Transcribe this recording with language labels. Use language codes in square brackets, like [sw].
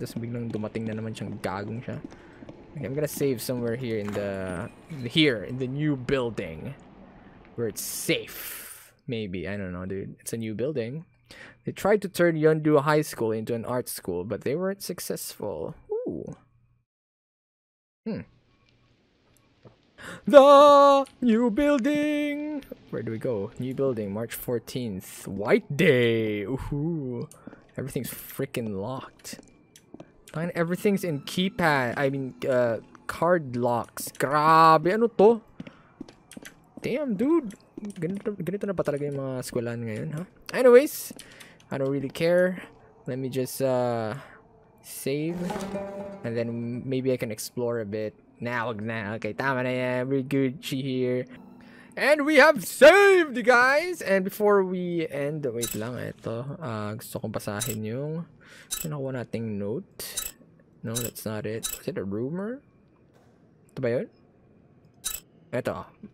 [tl] Tapos biglang dumating na naman siyang gagong siya. [en] Okay, I'm gonna save somewhere here in the here in the new building where it's safe. Maybe, I don't know, dude. It's a new building. They tried to turn Yondu High School into an art school, but they weren't successful. Ooh. The new building. Where do we go? New building, March 14th, White Day. Ooh, everything's freaking locked. And everything's in keypad. I mean, card locks. [tl] Grabe, ano to? [en] Damn, dude. [tl] Ganito na ba talaga yung mga eskwelahan ngayon, huh? [en] Anyways, I don't really care. Let me just save, and then maybe I can explore a bit. Na. Okay, [tl] tama na yan. [en] We're Gucci here. And we have saved, guys! And before we end, wait lang, ito. [tl] Gusto kong basahin yung pinakuha nating note. [en] No, that's not it. Is it a rumor? [tl] Ito ba yun? Ito.